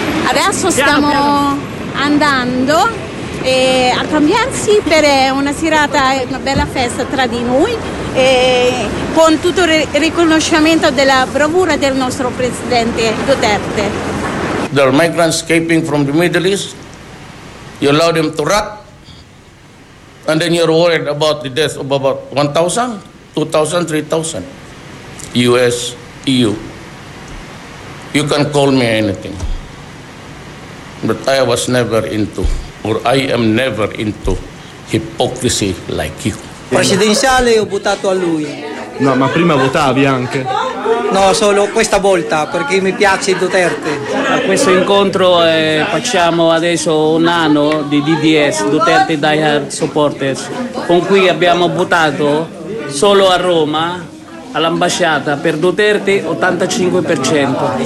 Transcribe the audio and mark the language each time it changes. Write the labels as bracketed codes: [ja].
[it] Adesso stiamo andando a cambiarsi per una serata, una bella festa tra di noi, e con tutto il riconoscimento della bravura del nostro presidente Duterte. [en] There are migrants escaping from the Middle East. You allow them to rot, and then you're worried about the death of about 1,000, 2,000, 3,000. US, EU. You can call me anything. But I was never into, or I am never into, hypocrisy like you. [it] Presidenziale ho votato a lui. No, ma prima votavi anche? No, solo questa volta, perché mi piace Duterte. A questo incontro facciamo adesso un anno di DDS, Duterte Diehard Supporters, con cui abbiamo votato solo a Roma, all'ambasciata, per Duterte 85%.